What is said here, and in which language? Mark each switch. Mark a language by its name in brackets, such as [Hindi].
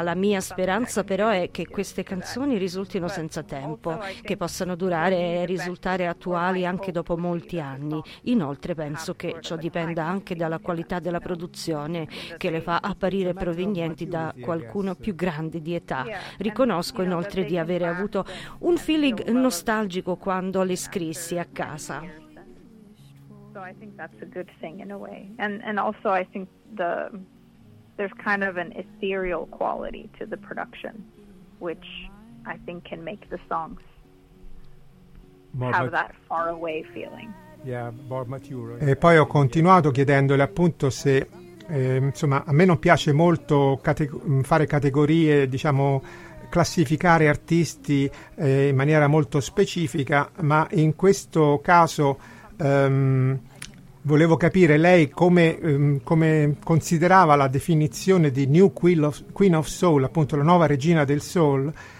[Italian] La mia speranza però è che queste canzoni risultino senza tempo, che possano durare e risultare attuali anche dopo molti anni. Inoltre penso che ciò dipenda anche dalla qualità della produzione, che le fa apparire provenienti da qualcuno più grande di età. Riconosco inoltre di avere avuto un feeling nostalgico quando le scrissi a casa. [English] So I think that's a good thing in a way. And also I think there's kind of an ethereal quality to the production, which I think can make the songs have that far away feeling. Yeah, more mature. [Italian] E poi ho continuato chiedendole appunto se insomma, a me non piace molto fare categorie, diciamo, classificare artisti in maniera molto specifica, ma in questo caso volevo capire lei come considerava la definizione di New Queen of Soul, appunto la nuova regina del soul,